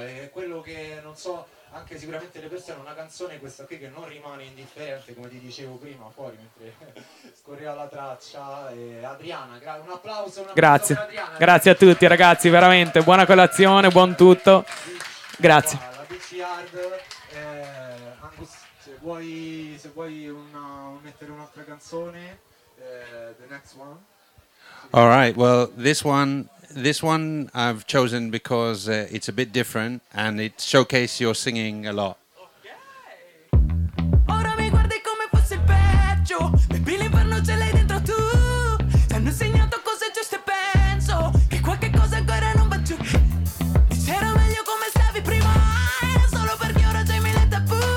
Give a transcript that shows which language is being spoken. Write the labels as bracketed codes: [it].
[it] È quello che, non so, anche sicuramente le persone, una canzone questa qui che non rimane indifferente, come ti dicevo prima, fuori mentre scorreva la traccia. Adriana, un applauso. Grazie. Per Adriana. Grazie a tutti, ragazzi, veramente. Buona colazione, buon tutto. Grazie. La BC Hard, Angus, se vuoi mettere un'altra canzone. [en] The next one. All right, well, this one I've chosen because it's a bit different and it showcases your singing a lot. [it] Ora mi guardi come fosse il peggio, baby, l'inferno ce l'hai dentro tu, ti hanno insegnato cose giuste, penso che qualche cosa ancora non va giù, c'era meglio come stavi prima, solo perché ora c'hai mille tabù,